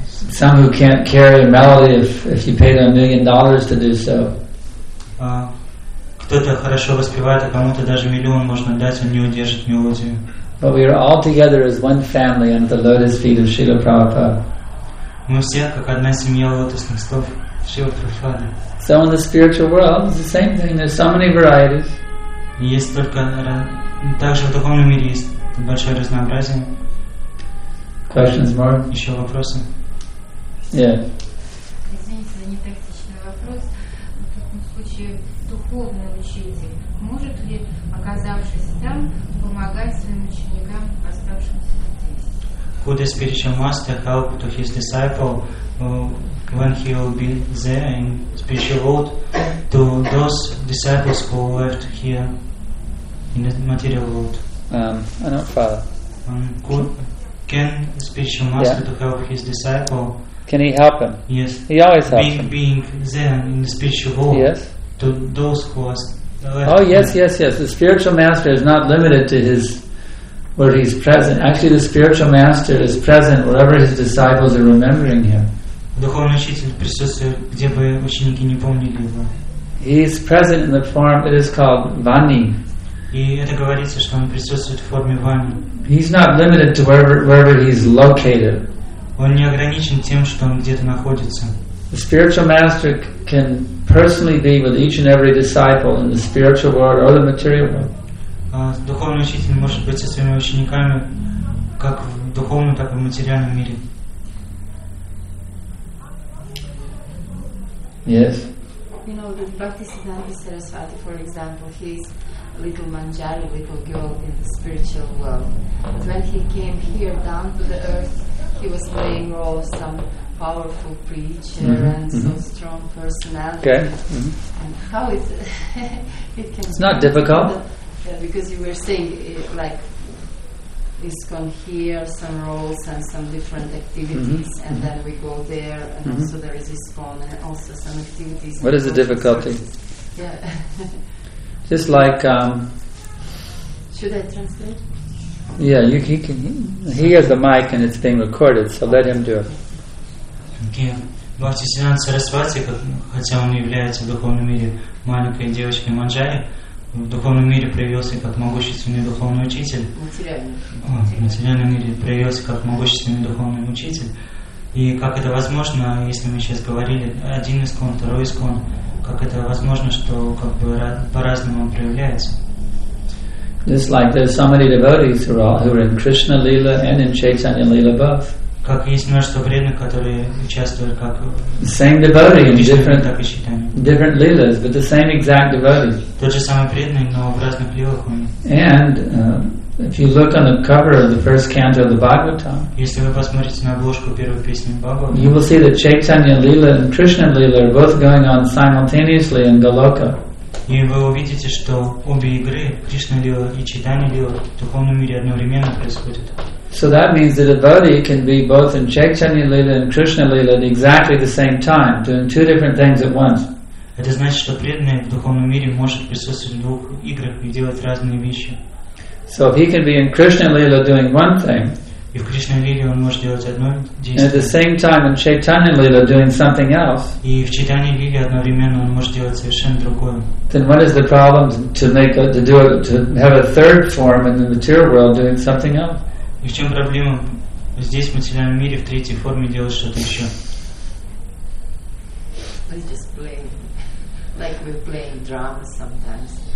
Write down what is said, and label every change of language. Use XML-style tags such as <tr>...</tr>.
<en>Some who can't carry a melody if you pay them $1 million to do so.</en> <ru>Кто-то хорошо воспевает, а кому-то даже миллион можно дать, он не удержит мелодию.</ru> <en>But we are all together as one family under the lotus feet of Srila Prabhupada.</en> <ru>Мы все как одна семья лотосных стоп Шрила Прабхупады.</ru> <en>So in the spiritual world, it's the same thing. There's so many varieties.</en> <ru>Есть только также в духовном мире есть большое разнообразие.</ru> <en>Questions more?</en> <ru>Еще вопросы? Есть</ru> <en>Yeah.</en> <ru>Извините за непрактичный вопрос. В таком случае духовный учитель может ли, оказавшись там, помогать своим ученикам, оставшимся здесь?</ru> <en>Could the spiritual master help to his disciple when he will be there in spiritual world to those disciples who left here in the material world? I don't follow. Can the spiritual master to help his disciple? Can he help him? Yes. He always helps him. Being there in the spiritual world. Yes. To those who are Yes. The spiritual master is not limited to his where he's present. Actually, the spiritual master is present wherever his disciples are remembering him.</en> <ru>Духовный учитель присутствует, где бы ученики не помнили его.</ru> <en>He is present in the form. It is called vani.</en> <ru>И это говорится, что он присутствует в форме вани.</ru> <en>He's not limited to wherever he's located.</en> <ru>Он не ограничен тем, что он где-то находится.</ru> <en>The spiritual master can personally be with each and every disciple in the spiritual world or the material world.</en> <ru>Духовный учитель может быть со своими учениками как в духовном, так и в материальном мире.</ru> <en>Yes. You know, the Bhaktisiddhanta Sarasvati, for example, he is a little manjari, little girl in the spiritual world. But when he came here down to the earth, he was playing role of some powerful preacher and some strong personality. Okay. And how is it? Can it's not difficult. Because you were saying, like, he's gone here, some roles and some different activities, and then we go there, and also there is this phone and also some activities. What is the difficulty? Yeah. Just like. Should I translate? Yeah, he can. He has a mic and it's being recorded, so let him do it. Okay.</en> <ru>Bhaktisiddhanta Sarasvati, хотя он является в духовном мире маленькой девочкой Манджари, в духовном мире проявился как могущественный духовный учитель. В материальном мире проявился как могущественный духовный учитель. И как это возможно, если мы сейчас говорили один искон, второй искон, как это возможно, что как бы по-разному он проявляется?</ru> <en>Just like there's so many devotees who are in Krishna Lila and in Chaitanya Lila both.</en> <ru>Как есть множество преданных, которые участвуют как</ru> <en>same devotee in different lilas, but the same exact devotee.</en> <ru>Тот же самый преданный, но в разных лилах.</ru> <en>And if you look on the cover of the first canto of the Bhagavatam,</en> <ru>если вы посмотрите на обложку первой песни Бхагавата,</ru> <en>you will see that Chaitanya Lila and Krishna Lila are both going on simultaneously in Goloka.</en> <ru>И вы увидите, что обе игры, Кришна Лила и Чайтанья Лила, в духовном мире одновременно происходят.</ru> <en>So that means that a devotee can be both in Chaitanya Lila and Krishna Lila at exactly the same time, doing two different things at once.</en> <ru>Это значит, что преданный в духовном мире может присутствовать в двух играх и делать разные вещи.</ru> <en>So if he can be in Krishna Lila doing one thing,</en> <ru>и в Кришна Лиле он может делать одно действие,</ru> <en>and at the same time in Chaitanya Lila doing something else,</en> <ru>и в Чайтанья Лиле одновременно он может делать совершенно другое.</ru> <en>Then what is the problem to have a third form in the material world doing something else?</en> <ru>И в чем проблема здесь, в материальном мире, в третьей форме делать что-то еще?</ru> <en>We're just playing, like we're playing drama sometimes.</en>